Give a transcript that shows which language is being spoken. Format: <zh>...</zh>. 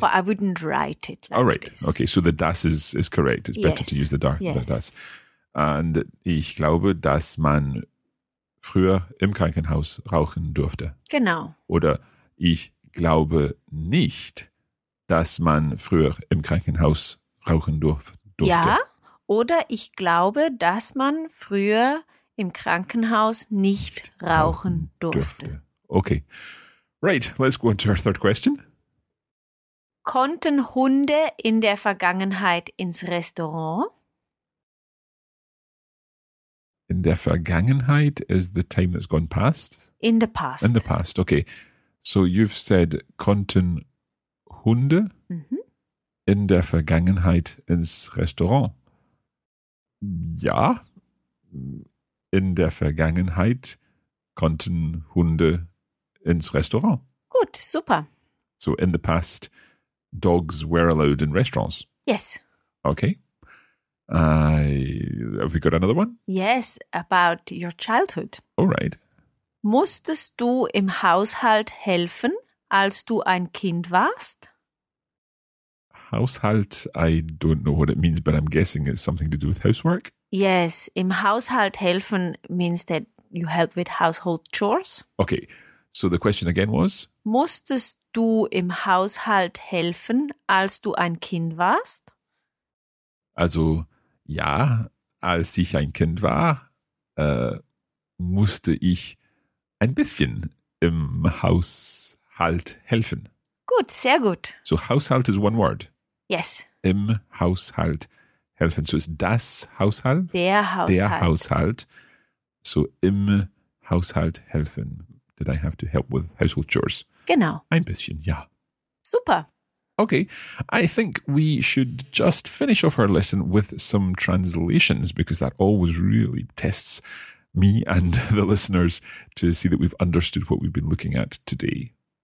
<en>But I wouldn't write it like All right. this. Okay, so the das is correct. It's better yes. to use the das. Yes.</en> <de>And ich glaube, dass man früher im Krankenhaus rauchen durfte. Genau. Oder ich glaube nicht, dass man früher im Krankenhaus rauchen durfte. Ja, oder ich glaube, dass man früher im Krankenhaus nicht rauchen durfte.</de> <en>Okay, right, let's go on to our third question.</en> <de>Konnten Hunde in der Vergangenheit ins Restaurant? In der Vergangenheit</de> <en>is the time that's gone past? In the past. In the past, okay. So you've said,</en> <de>konnten Hunde</de> <en>mm-hmm.</en> <de>in der Vergangenheit ins Restaurant? Ja, in der Vergangenheit konnten Hunde ins Restaurant. Gut, super.</de> <en>So in the past, dogs were allowed in restaurants? Yes. Okay. Have we got another one? Yes, about your childhood. All right.</en> <de>Musstest du im Haushalt helfen, als du ein Kind warst?</de> <en>Haushalt, I don't know what it means, but I'm guessing it's something to do with housework. Yes, im Haushalt helfen means that you help with household chores. Okay, so the question again was?</en> <de>Musstest du im Haushalt helfen, als du ein Kind warst? Also, ja, als ich ein Kind war, musste ich ein bisschen im Haushalt helfen. Gut, sehr gut.</de> <en>So Haushalt is one word? Yes.</en> <de>Im Haushalt helfen. So ist das Haushalt? Der Haushalt. Der Haushalt. So im Haushalt helfen.</de> <en>Did I have to help with household chores?</en> <de>Genau. Ein bisschen, ja. Super.</de> <en>Okay, I think we should just finish off our lesson with some translations because that always really tests me and the listeners to see that we've understood what we've been looking at today.</en>